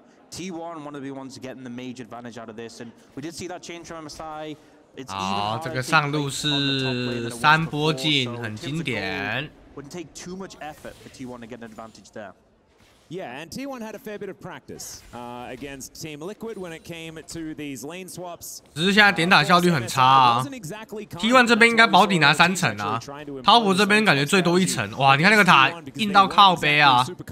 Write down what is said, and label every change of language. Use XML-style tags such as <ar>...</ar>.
<en>T1 want to be ones to get in the major advantage out of this, and we did see that change from MSI.</en> <zh>好，这个上路是三波进，很经典。</zh> <en>Wouldn't take too much effort for T1 to get an advantage there. Yeah, and T1 had a fair bit of practice against Team Liquid when it came to these lane swaps.</en> <zh>只是现在点塔效率很差。T1 这边应该保底拿三层啊，滔博这边感觉最多一层。哇，你看那个塔硬到靠杯啊！</zh>